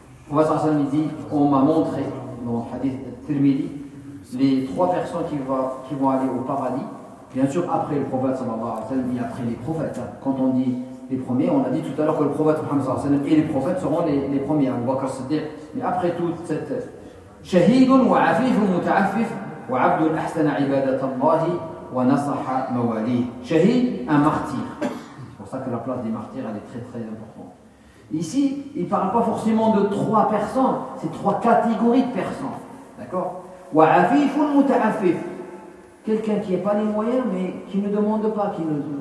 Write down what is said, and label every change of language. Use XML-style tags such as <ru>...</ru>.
<fr>On va s'en dit, on m'a montré dans le hadith Tirmidhi les trois personnes qui vont aller au paradis. Bien sûr, après le prophète</fr> <ar>sallallahu alayhi wa sallam,</ar> <fr>et après les prophètes. Quand on dit les premiers, on a dit tout à l'heure que le prophète Muhammad sallallahu alayhi wa sallam et les prophètes seront les premiers. Abu Bakr Siddiq. Mais après toute cette.</fr> <ar>شهيد وعفيف متعفف وعبد أحسن عبادة الله ونصح مواليه.</ar> <fr>شهيد un martyr. C'est pour ça que la place des martyrs elle est très très importante. Ici, il ne parle pas forcément de trois personnes, c'est trois catégories de personnes. D'accord ?</fr> <ar>وعفيف متعفف.</ar> <fr>Quelqu'un qui n'a pas les moyens mais qui ne demande pas, qui ne.</fr>